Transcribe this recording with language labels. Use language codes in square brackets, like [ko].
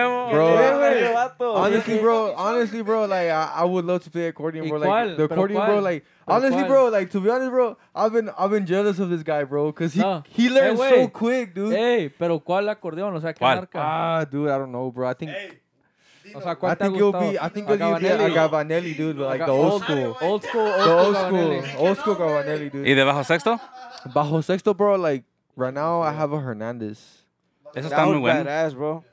[en] Honestly, bro, like, I would love to play accordion, bro. Like, the accordion, bro, like, honestly, bro, like, to be honest, bro, I've been jealous of this guy, bro, because he learned so quick, dude. [es] Hey, pero ¿cuál acordeón? O sea, ¿qué marca? [en] Ah, dude, I don't know, bro. I think... [es] O sea, ¿cuál [en] I think it'll be a Gabanelli, dude, but like the old school. Old school Gabanelli, dude. [es] ¿Y de bajo sexto? [en] Bajo sexto, bro, like, right now I have a Hernandez. [es] Eso está muy bueno. [en] Badass, bro.